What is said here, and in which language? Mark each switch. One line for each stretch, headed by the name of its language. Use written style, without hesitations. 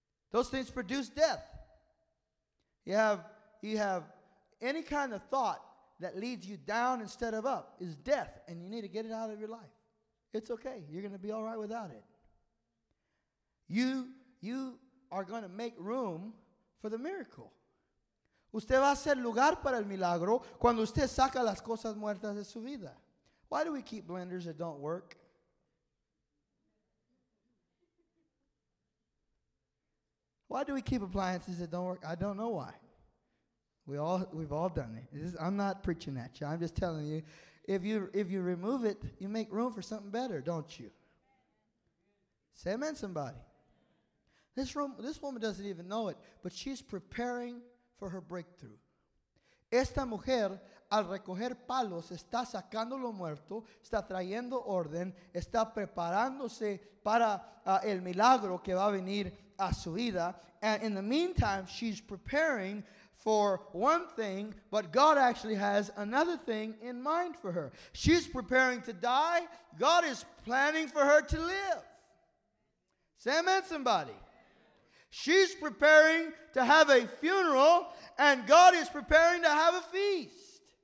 English: Those things produce death. You have any kind of thought that leads you down instead of up is death, and you need to get it out of your life. It's okay. You're going to be all right without it. You are going to make room for the miracle.
Spanish: Usted va a hacer lugar para el milagro cuando usted saca las cosas muertas de su vida.
English: Why do we keep blenders that don't work? Why do we keep appliances that don't work? I don't know why. We've all done it. I'm not preaching at you. I'm just telling you, if you remove it, you make room for something better, don't you? Say amen, somebody. This woman doesn't even know it, but she's preparing for her breakthrough.
Spanish: Esta mujer, al recoger palos, está sacando lo muerto, está trayendo orden, está preparándose para el milagro que va a venir a su vida.
English: And in the meantime, she's preparing for one thing, but God actually has another thing in mind for her. She's preparing to die. God is planning for her to live. Say amen, somebody. She's preparing to have a funeral, and God is preparing to have a feast.